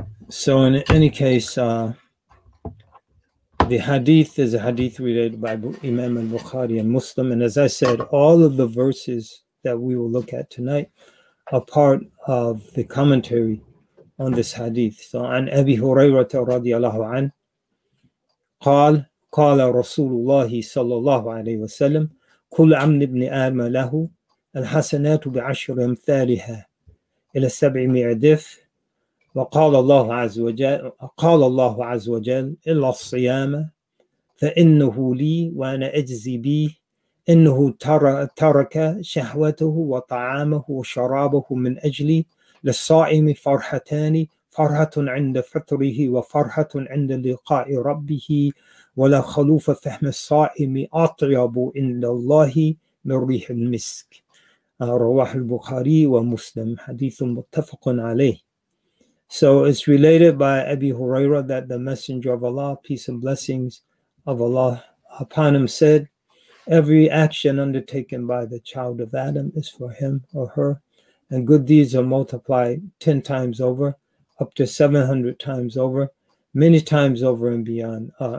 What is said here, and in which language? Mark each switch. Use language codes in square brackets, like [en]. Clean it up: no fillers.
[en] So in any case, the hadith is a hadith related by Imam al-Bukhari and Muslim. And as I said, all of the verses that we will look at tonight a part of the commentary on this hadith. [ar] So, عن أبي هريرة رضي الله عنه قال قال رسول الله صلى الله عليه وسلم كل عمن ابن آدم له الحسنات بعشر أمثالها إلى سبع معدف وقال الله عز وجل قال الله عز وجل إلا الصيام فإنه لي وأنا أجزي به إنه ترك شهوته وطعامه وشرابه من أجلي للصائم فرحتان فرحة عند فطره وفرحة عند لقاء ربه ولا خلوف فهم الصائم أطيب عند الله من ريح المسك رواه البخاري ومسلم حديث متفق عليه. [en] So it's related by Abi Huraira that the Messenger of Allah, peace and blessings of Allah upon him, said, every action undertaken by the child of Adam is for him or her, and good deeds are multiplied 10 times over, up to 700 times over, many times over and beyond.